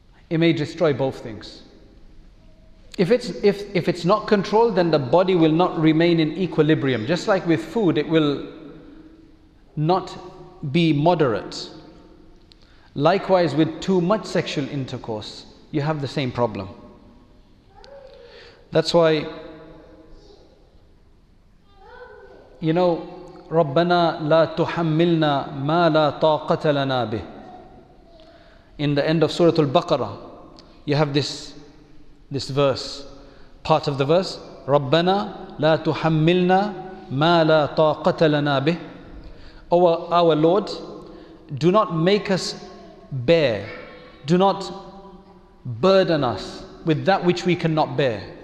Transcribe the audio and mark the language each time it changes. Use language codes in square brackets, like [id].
[en] It may destroy both things. If it's not controlled, then the body will not remain in equilibrium. Just like with food, it will not be moderate. Likewise, with too much sexual intercourse, you have the same problem. That's why, you know, [ar] رَبَّنَا لَا تُحَمِّلْنَا مَا لَا طَاقَةَ لَنَا بِهِ. [en] In the end of Surah Al-Baqarah, you have this verse, part of the verse, [ar] رَبَّنَا لَا تُحَمِّلْنَا مَا لَا طَاقَةَ لَنَا بِهِ. [en] Oh, our Lord, do not make us bear, do not burden us with that which we cannot bear.